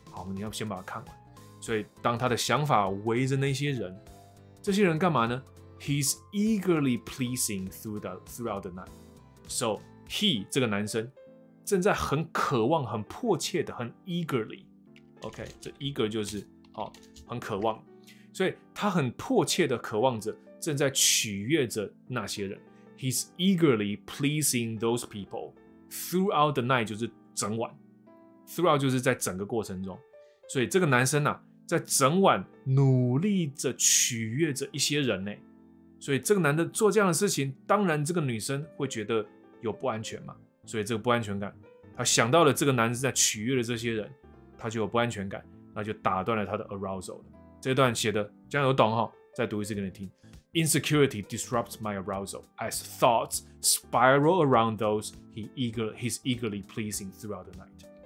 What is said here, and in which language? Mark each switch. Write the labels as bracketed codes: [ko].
[zh] 好，你要先把它看完。所以当他的想法围着那些人，这些人干嘛呢 ？ [en] He's eagerly pleasing throughout the night， so he [zh] 这个男生正在很渴望、很迫切的、很 eagerly， OK， 这 eager 就是。好，很渴望，所以他很迫切的渴望着，正在取悦着那些人。 [en] He's eagerly pleasing those people throughout the night， [zh] 就是整晚。 Throughout 就是在整个过程中，所以这个男生啊，在整晚努力着取悦着一些人呢。所以这个男的做这样的事情，当然这个女生会觉得有不安全嘛。所以这个不安全感，他想到了这个男生在取悦了这些人，他就有不安全感。那就打断了他的 arousal。这段写的这样有懂哈？再读一次给你听。 [en] Insecurity disrupts my arousal as thoughts spiral around those he's eagerly pleasing throughout the night。